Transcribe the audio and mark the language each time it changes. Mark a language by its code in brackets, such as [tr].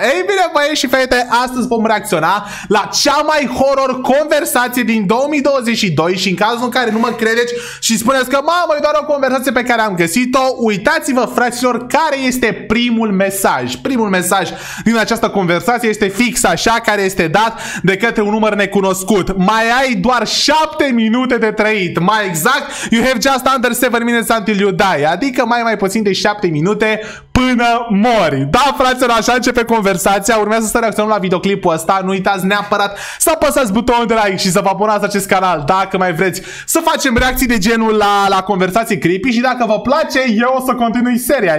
[ro] Ei bine, băieți și fete, astăzi vom reacționa la cea mai horror conversație din 2022 și în cazul în care nu mă credeți și spuneți că mamă, e doar o conversație pe care am găsit-o, uitați-vă, fraților, care este primul mesaj. Primul mesaj din această conversație este fix așa, care este dat de către un număr necunoscut. Mai ai doar 7 minute de trăit. Mai exact, [en] you have just under 7 minutes until you die. [ro] Adică mai puțin de 7 minute până mori. Da, fraților, așa începe conversația. Urmează să reacționăm la videoclipul ăsta. Nu uitați neapărat să apăsați butonul de like și să vă abonați acest canal, dacă mai vreți să facem reacții de genul la conversații creepy, și dacă vă place, eu o să continui seria.